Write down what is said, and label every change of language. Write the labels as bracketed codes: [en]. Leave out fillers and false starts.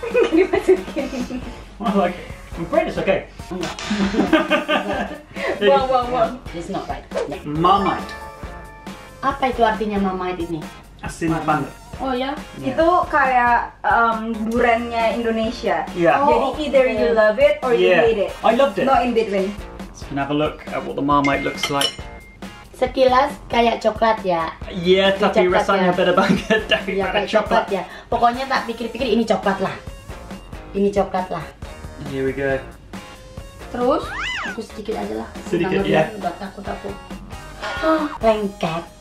[id] Ini masih kering. [en] I'm afraid it's okay. Wow. It's not right. Marmite. [id] Apa itu artinya marmite ini? Asin banget. Oh ya, [en] yeah. [id] Itu kayak durennya Indonesia. [en] Yeah. [id] Oh, jadi [en] either you love it or you hate it. I loved it. Not in between. So can have a look at what the Marmite looks like. [id] Sekilas kayak coklat ya. Yeah, tapi rasanya beda banget dari ya, coklat. Coklat ya. Pokoknya tak pikir-pikir ini coklat lah. Ini coklat lah. [en] Here we go. [id] Terus aku sedikit aja lah. Sedikit ya. Takut. Lengket.